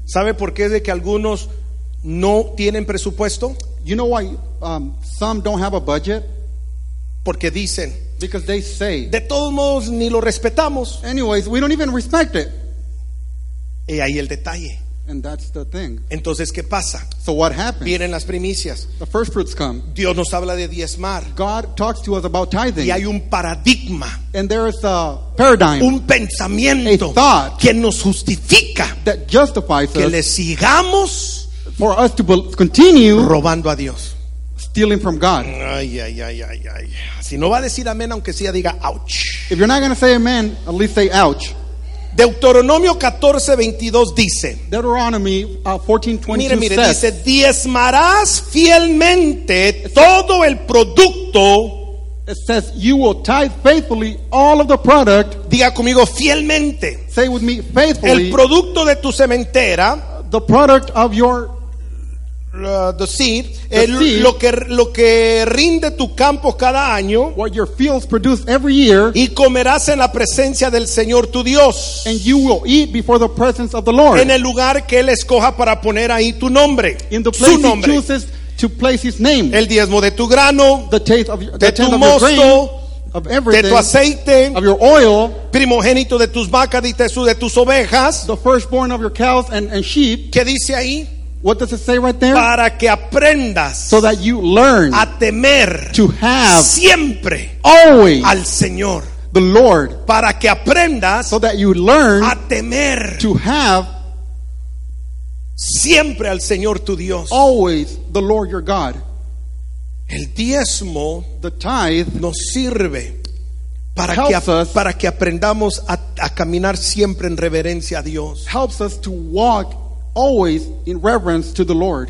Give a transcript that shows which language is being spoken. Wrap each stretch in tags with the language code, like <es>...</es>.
<es>¿Sabe por qué es de que algunos no tienen presupuesto?</es> <en>You know why some don't have a budget?</en> <es>Porque dicen.</es> <en>Because they say.</en> <es>De todos modos ni lo respetamos.</es> <en>Anyways, we don't even respect it.</en> <es>Y ahí el detalle.</es> <en>And that's the thing.</en> <es>Entonces, ¿qué pasa?</es> <en>So what happens?</en> <es>Vienen las primicias.</es> <en>The first fruits come.</en> <es>Dios nos habla de diezmar.</es> <en>God talks to us about tithing.</en> <es>Y hay un paradigma.</es> <en>And there is a paradigm.</en> <es>Un pensamiento.</es> <en>A thought.</en> <es>Que nos justifica.</es> <en>That justifies</en> <es>que</es> <en>us.</en> <es>Que le sigamos.</es> <en>For us to continue.</en> <es>Robando a Dios.</es> <en>Stealing from God.</en> <es>Ay, ay, ay, ay, ay. Si no va a decir amén, aunque sea, diga ouch.</es> <en>If you're not going to say amen, at least say ouch.</en> <es>Deuteronomio 14:22 dice.</es> <en>Deuteronomy 14:22</en> <es>mire, mire, dice, diezmarás fielmente todo el producto.</es> <en>It says you will tithe faithfully all of the product.</en> <es>Diga conmigo fielmente.</es> <en>Say with me faithfully.</en> <es>El producto de tu sementera.</es> <en>The product of your the seed.</en> <es>Lo que rinde tu campo cada año.</es> <en>What your fields produce every year.</en> <es>Y comerás en la presencia del Señor tu Dios.</es> <en>And you will eat before the presence of the Lord.</en> <es>En el lugar que él escoja para poner ahí tu nombre.</es> <en>In the place he chooses to place his name.</en> <es>El diezmo de tu grano.</es> <en>The tithe of your,</en> <es>de tu mosto.</es> <en>Of everything,</en> <es>de tu aceite,</es> <en>of your oil,</en> <es>primogénito de tus vacas y de tus ovejas,</es> <en>the firstborn of your cows and sheep.</en> <es>¿Qué dice ahí?</es> <en>What does it say right there?</en> <es>Para que aprendas,</es> <en>so that you learn,</en> <es>a temer,</es> <en>to have,</en> <es>siempre,</es> <en>always,</en> <es>al Señor,</es> <en>the Lord,</en> <es>para que aprendas,</es> <en>so that you learn,</en> <es>a temer,</es> <en>to have,</en> <es>siempre al Señor tu Dios,</es> <en>always the Lord your God.</en> <es>El diezmo,</es> <en>the tithe,</en> <es>nos sirve para que aprendamos a caminar siempre en reverencia a Dios.</es> <en>Helps us to walk always in reverence to the Lord.</en>